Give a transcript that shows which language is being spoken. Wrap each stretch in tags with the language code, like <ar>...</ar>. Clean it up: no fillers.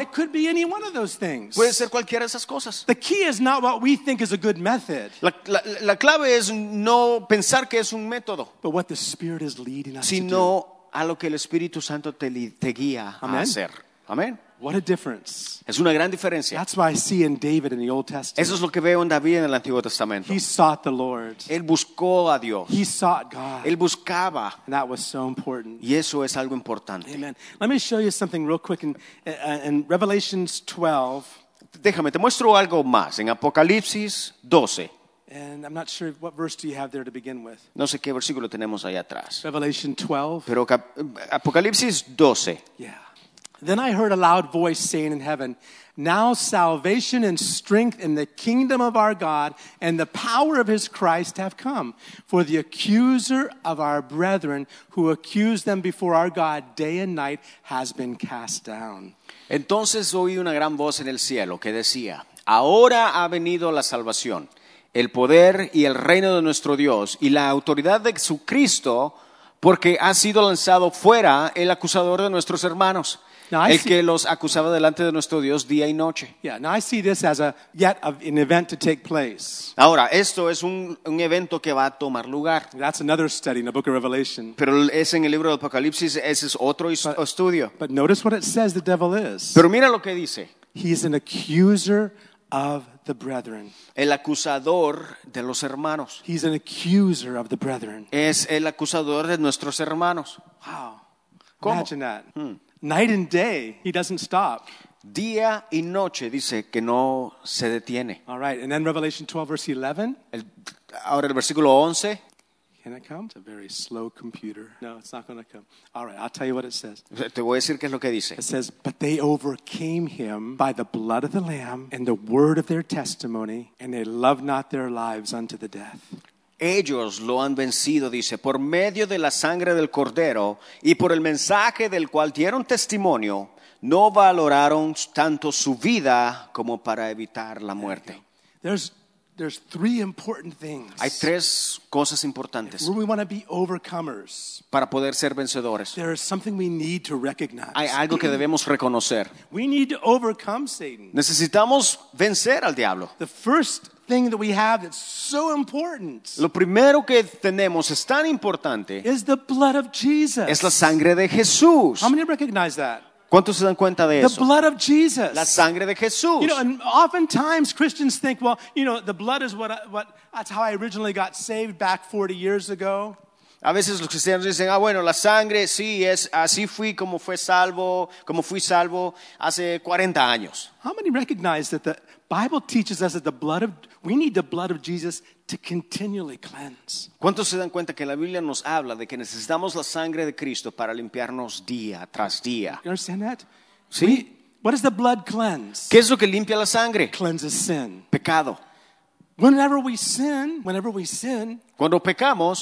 <en>It could be any one of those things.</en> <es>Puede ser cualquiera de esas cosas.</es> <en>The key is not what we think is a good method.</en> <es>La clave es no pensar que es un método.</es> <en>But what the Spirit is leading us</en> <es>sino</es> <en>to do.</en> <es>Sino a lo que el Espíritu Santo te guía</es> <en>Amen.</en> <es>A hacer. Amén.</es> <en>What a difference.</en> <es>Es una gran diferencia.</es> <en>That's what I see in David in the Old Testament.</en> <es>Eso es lo que veo en David en el Antiguo Testamento.</es> <en>He sought the Lord.</en> <es>Él buscó a Dios.</es> <en>He sought God.</en> <es>Él buscaba.</es> <en>And that was so important.</en> <es>Y eso es algo importante.</es> <en>Amen. Let me show you something real quick in Revelations 12.</en> <es>Déjame, te muestro algo más en Apocalipsis 12.</es> <en>And I'm not sure what verse do you have there to begin with.</en> <es>No sé qué versículo tenemos ahí atrás.</es> <en>Revelation 12.</en> <es>Pero Apocalipsis 12.</es> <en>Yeah. Then I heard a loud voice saying in heaven, Now salvation and strength in the kingdom of our God and the power of his Christ have come. For the accuser of our brethren who accused them before our God day and night has been cast down.</en> <es>Entonces oí una gran voz en el cielo que decía, Ahora ha venido la salvación, el poder y el reino de nuestro Dios y la autoridad de su Cristo, porque ha sido lanzado fuera el acusador de nuestros hermanos.</es> <en>Now,</en> <es>el que los acusaba delante de nuestro Dios día y noche.</es> <en>Yeah, now I see this as a yet an event to take place.</en> <es>Ahora, esto es un evento que va a tomar lugar.</es> <en>That's another study in the book of Revelation.</en> <es>Pero es en el libro de Apocalipsis, ese es otro estudio.</es> <en>But notice what it says the devil is.</en> <es>Pero mira lo que dice.</es> <en>He is an accuser of the brethren.</en> <es>El acusador de los hermanos.</es> <en>He's an accuser of the brethren.</en> <es>Es el acusador de nuestros hermanos.</es> <en>Wow.</en> <es>¿Cómo?</es> <en>Imagine that. Night and day, he doesn't stop.</en> <es>Día y noche, dice que no se detiene.</es> <en>All right, and then Revelation 12, verse 11.</en> <es>Ahora el versículo 11.</es> <en>Can it come? It's a very slow computer. No, it's not going to come. All right, I'll tell you what it says.</en> <es>Te voy a decir qué es lo que dice.</es> <en>It says, but they overcame him by the blood of the Lamb and the word of their testimony, and they loved not their lives unto the death.</en> <es>Ellos lo han vencido, dice, por medio de la sangre del Cordero y por el mensaje del cual dieron testimonio, no valoraron tanto su vida como para evitar la muerte.</es> <en>There's three important things.</en> <es>Hay tres cosas importantes.</es> <en>We want to be overcomers.</en> <es>Para poder ser vencedores.</es> <en>There is something we need to recognize.</en> <es>Hay algo que debemos reconocer.</es> <en>We need to overcome Satan.</en> <es>Necesitamos vencer al diablo.</es> <en>The first thing that we have that's so important.</en> <es>Lo primero que tenemos es tan importante.</es> <en>Is the blood of Jesus.</en> <es>Es la sangre de Jesús.</es> <en>How many recognize that?</en> <es>¿Cuántos se dan cuenta de eso?</es> <en>The blood of Jesus.</en> <es>La sangre de Jesús.</es> <en>You know, and oftentimes Christians think, well, you know, the blood is what that's how I originally got saved back 40 years ago.</en> <es>A veces los cristianos dicen, ah, bueno, la sangre, sí, es así fui como fue salvo, como fui salvo hace 40 años.</es> <en>How many recognize that the Bible teaches us that the blood of we need the blood of Jesus to continually cleanse?</en> <es>¿Cuántos se dan cuenta que la Biblia nos habla de que necesitamos la sangre de Cristo para limpiarnos día tras día?</es> <en>You understand that?</en> <es>Sí.</es> <en>What does the blood cleanse?</en> <es>¿Qué es lo que limpia la sangre?</es> <en>Cleanses sin.</en> <es>Pecado.</es> <en>Whenever we sin,</en> <es>cuando pecamos,</es>